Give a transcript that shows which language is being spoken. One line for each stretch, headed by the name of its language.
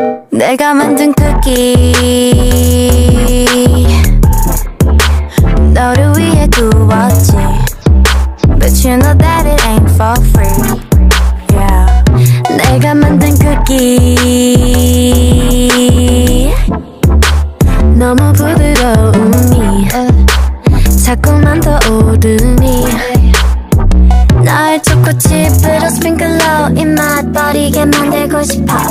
Korean: 내가 만든 쿠키 너를 위해 구웠지.
English: But you know that it ain't for free. Yeah.
Korean: 내가 만든 쿠키 너무 부드러우니 자꾸만 떠오르니 날 초코칩으로 스프링클로 입 맛버리게 만들고 싶어.